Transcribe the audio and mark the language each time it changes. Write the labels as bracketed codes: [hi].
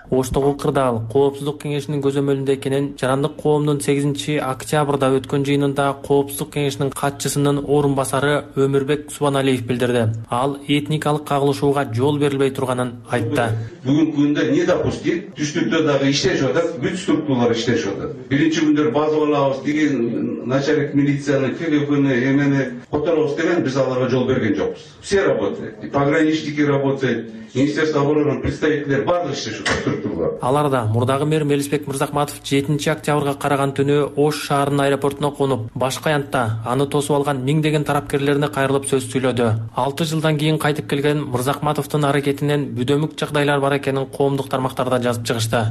[ky] Оштогу кырдаал коопсуздук кеңешинин көзөмөлүндө экенин жарандык коомдун 8-октябрда өткөн жыйынында коопсуздук кеңешинин катчысынын орун басары Өмүрбек Субаналиев билдирди. Ал этникалык кагылышууга жол берилбей турганын айтты. Бүгүнкү күндө [ru] не допустим, [ky] түштүктө дагы иштешип атат, бүт структуралар иштешип атат. Биринчи күндөр базып алабыз деген начальник милициянын телефону эмени которобуз деген биз аларга жол берген жокпуз. [ru] Все работают, пограничники работают, министерство обороны [ky] представителдери баардыгы иштешип турушат. Алар да мурдагы мэр Мелисбек Мырзакматов 7-октябрга караган түнү Ош шаарынын аэропортуна конуп, башка аянтта аны тосуп алган миңдеген тарапкерлерине кайрылып сөз сүйлөдү. 6 жылдан кийин кайтып келген Мырзакматовдун аракетинен бүдөмүк жагдайлар бар экенин коомдук тармактарда жазып чыгышты.